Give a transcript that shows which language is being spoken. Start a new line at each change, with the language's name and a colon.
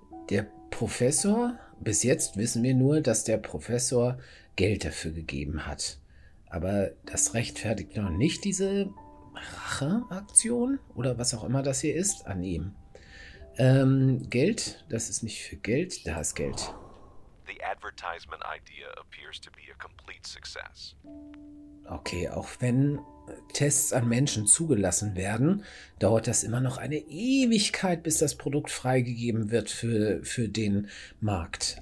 German: Der Professor, bis jetzt wissen wir nur, dass der Professor Geld dafür gegeben hat. Aber das rechtfertigt noch nicht diese Racheaktion oder was auch immer das hier ist an ihm. Geld, das ist nicht für Geld, da ist Geld.
English: The advertisement idea appears to be a complete success.
German: Okay, auch wenn Tests an Menschen zugelassen werden, dauert das immer noch eine Ewigkeit, bis das Produkt freigegeben wird für den Markt.